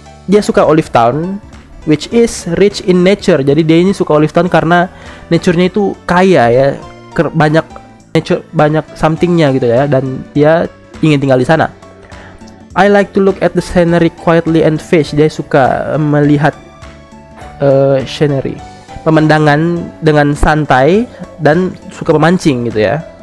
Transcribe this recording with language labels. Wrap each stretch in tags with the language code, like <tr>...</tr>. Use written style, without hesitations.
<id>Dia suka</id> <en>Olive Town, which is rich in nature.</en> <id>Jadi dia ini suka Olive Town karena nature-nya itu kaya ya, banyak nature, banyak something-nya gitu ya, dan dia ingin tinggal di sana.</id> <en>I like to look at the scenery quietly and fish.</en> <id>Dia suka melihat scenery, pemandangan dengan santai, dan suka memancing gitu ya.</id>